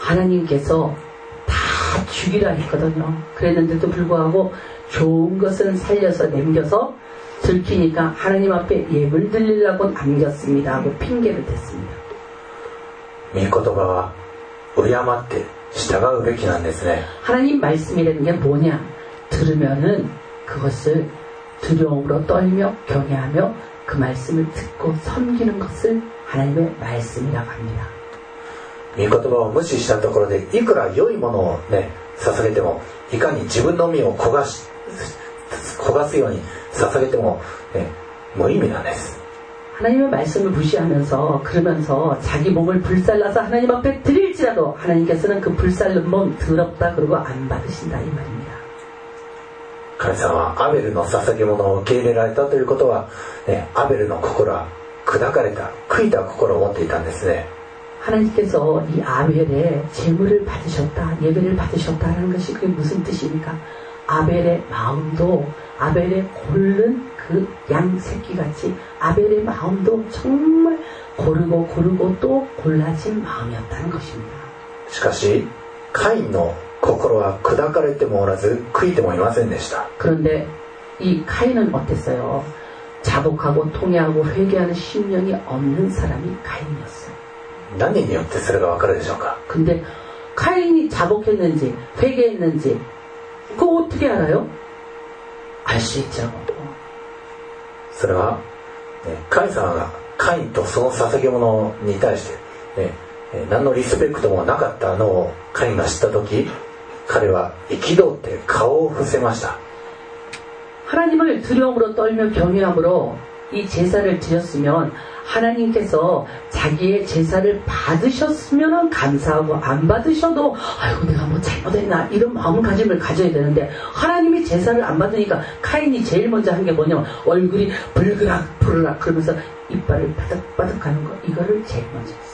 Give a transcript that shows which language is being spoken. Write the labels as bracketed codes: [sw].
[ko] 하나님께서 죽이라 했거든요. 그랬는데도 불구하고 좋은 것은 살려서 남겨서 들키니까 하나님 앞에 예물 드리려고 남겼습니다 하고 핑계를 댔습니다. [ja] 御言葉は敬って従うべきなんですね。 [ko] 하나님 말씀이라는 게 뭐냐? 들으면은 그것을 두려움으로 떨며 경외하며 그 말씀을 듣고 섬기는 것을 하나님의 말씀이라고 합니다. [ja] 御言葉を無視したところでいくら良いものをね 捧げても、いかに自分の身を焦がすように捧げても、無意味なんです。 [ko] 하나님의 말씀을 무시하면서 그러면서 자기 몸을 불살라서 하나님 앞에 드릴지라도 하나님께서는 그 불살른 몸 더럽다 그러고 안 받으신다 이 말입니다. 하나님은 아벨의 [ja] 捧げ物を 受け入れられたということは、アベルの心は砕かれた、悔いた心を持っていたんですね。 [ko] 하나님께서 이 아벨의 재물을 받으셨다, 예배를 받으셨다라는 것이 그게 무슨 뜻입니까? 아벨의 마음도 아벨의 고른 그 양 새끼같이 아벨의 마음도 정말 고르고 고르고 또 골라진 마음이었다는 것입니다. [ja] しかし, 카인의 心は砕かれてもおらず、悔いてもいませんでした。 [ko] 그런데 이 가인은 어땠어요? 자복하고 통회하고 회개하는 심령이 없는 사람이 가인이었어요. [ja] 何によってそれが分かるでしょうか? [ko] 근데 가인이 자복했는지 회개했는지 그거 어떻게 알아요? 알 수 있죠. [ja] それは神様が、カインとその捧げ物に対して 何のリスペクトもなかったのをカインが知った時、彼は憤って顔を伏せました。 [ko] 하나님을 두려움으로 떨며 경외함으로 이 제사를 드렸으면 하나님께서 자기의 제사를 받으셨으면 감사하고 안 받으셔도 아이고 내가 뭐 잘못했나 이런 마음가짐을 가져야 되는데 하나님이 제사를 안 받으니까 카인이 제일 먼저 한 게 뭐냐면 얼굴이 불그락 불그락 그러면서 이빨을 바닥바닥 하는 거 이거를 제일 먼저